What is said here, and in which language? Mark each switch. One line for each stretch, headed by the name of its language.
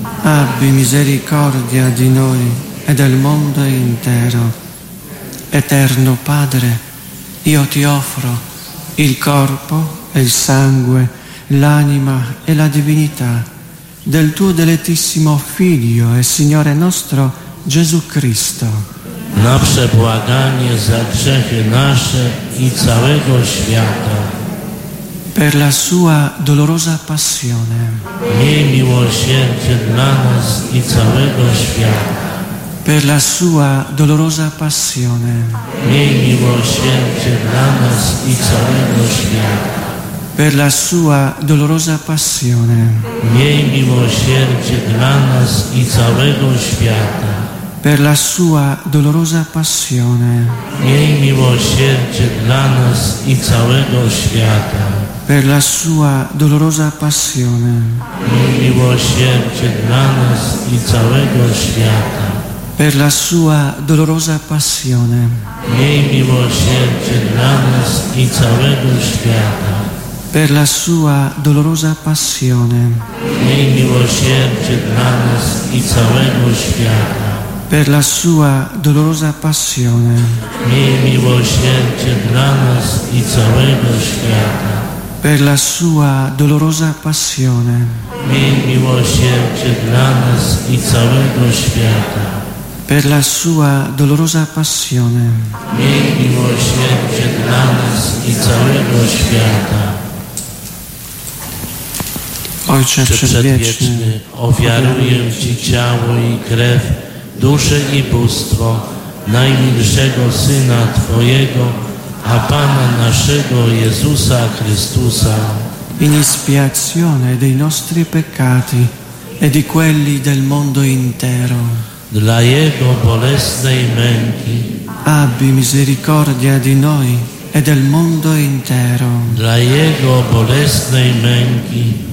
Italian: abbi misericordia di noi e del mondo intero. Eterno Padre, io ti offro il corpo e il sangue, l'anima e la divinità del tuo delettissimo Figlio e Signore nostro Gesù Cristo.
Polish: Na przebłaganie za grzechy nasze i całego świata.
Italian: Per la sua dolorosa passione.
Polish: Miej miłosierdzie dla nas i całego świata.
Italian: Per la sua dolorosa passione.
Polish: Miej miłosierdzie dla nas i całego świata.
Italian: Per la sua dolorosa passione.
Polish: Miej miłosierdzie dla nas i całego świata.
Italian: Per la sua dolorosa passione.
Polish: Miej miłosierdzie dla nas i całego świata.
Italian: Per la sua dolorosa passione.
Polish: Miej miłosierdzie dla nas i całego świata.
Italian: Per la sua dolorosa passione.
Polish: Miej miłosierdzie dla nas i całego świata.
Italian: Per la sua dolorosa passione.
Polish: Miej miłosierdzie dla nas i całego świata.
Italian: Per la sua dolorosa passione.
Polish: Miej miłosierdzie dla nas i całego świata.
Italian: Per la sua dolorosa passione.
Polish: Miej miłosierdzie dla nas i całego świata.
Italian: Per la sua dolorosa passione.
Polish: Miej miłosierdzie dla nas i całego świata. Ojcze przedwieczny, ofiaruję Ci ciało i krew, duszę i bóstwo najmilszego Syna Twojego, a Pana naszego Jezusa Chrystusa.
Italian: In espiazione dei nostri peccati e di quelli del mondo intero.
Polish: Dla Jego bolesnej męki
Italian: abbi misericordia di noi e del mondo intero.
Polish: Dla Jego bolesnej męki